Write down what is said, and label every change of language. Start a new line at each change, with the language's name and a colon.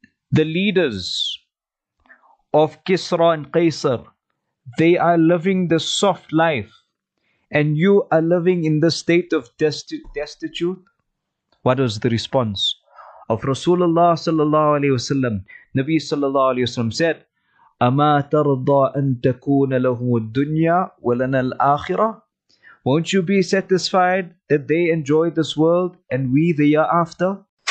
English: The leaders of Kisra and Qaisar, they are living the soft life, and you are living in the state of destitute. What was the response of Rasulullah sallallahu alayhi wa sallam? Nabi sallallahu alayhi wa sallam said,
Arabic: أَمَا تَرْضَىٰ أَن تَكُونَ لَهُمُ الدُّنْيَا وَلَنَا الْآخِرَةِ.
English: Won't you be satisfied that they enjoy this world and we the year after?